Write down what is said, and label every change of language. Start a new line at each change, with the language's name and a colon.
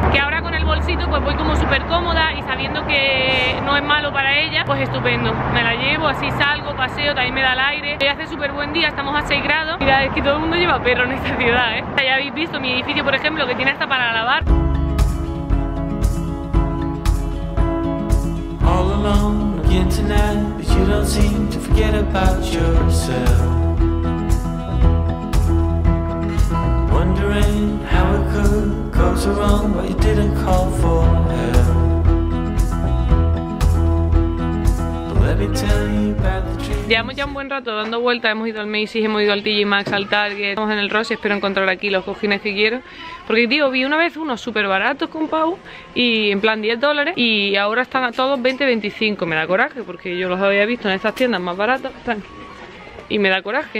Spanish: Que ahora con el bolsito pues voy como súper cómoda y sabiendo que no es malo para ella, pues estupendo. Me la llevo, así salgo, paseo, también me da el aire. Hoy hace súper buen día, estamos a 6 grados. Mira, es que todo el mundo lleva perro en esta ciudad, ¿eh? Ya habéis visto mi edificio, por ejemplo, que tiene hasta para lavar.
English: All alone on the internet, but you don't seem to forget about yourself. Wondering how it could go so wrong, but you didn't call for help. But let me tell you about the truth.
Spanish: Llevamos ya un buen rato dando vueltas, hemos ido al Macy's, hemos ido al TJ Maxx, al Target. Estamos en el Ross y espero encontrar aquí los cojines que quiero. Porque, tío, vi una vez unos súper baratos con Pau, y en plan 10 dólares, y ahora están a todos 20-25. Me da coraje, porque yo los había visto en estas tiendas más baratas, tranqui. Y me da coraje.